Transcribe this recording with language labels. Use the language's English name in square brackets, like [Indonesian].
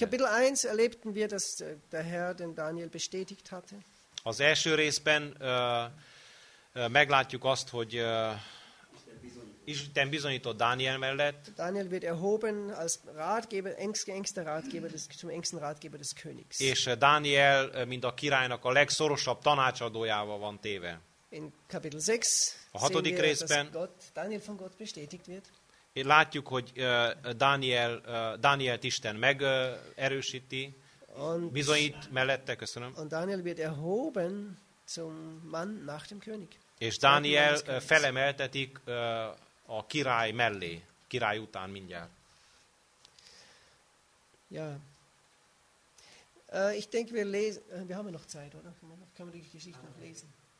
[German] Kapitel 1 erlebten wir, dass der Herr den Daniel bestätigt hatte. [Hungarian] Az első részben meglátjuk azt, hogy Isten bizonyított Dániel mellett. [German] Daniel wird erhoben als Ratgeber, engster Ratgeber des, zum engsten Ratgeber des Königs. [Hungarian] És Dániel mind a királynak a legszorosabb tanácsadójával van téve. [German] In Kapitel 6 [Hungarian] a hatodik részben [German] Daniel von Gott bestätigt wird. [Hungarian] Látjuk, hogy Dánielt Isten megerősíti, bizonyít mellette, köszönöm. [German] Und Daniel wird erhoben zum Mann nach dem König. [Hungarian] És Dániel felemeltetik a király mellé, király után mindjárt. [German] Ja. Ich denke, wir haben noch Zeit, oder? Können wir die Geschichte noch lesen?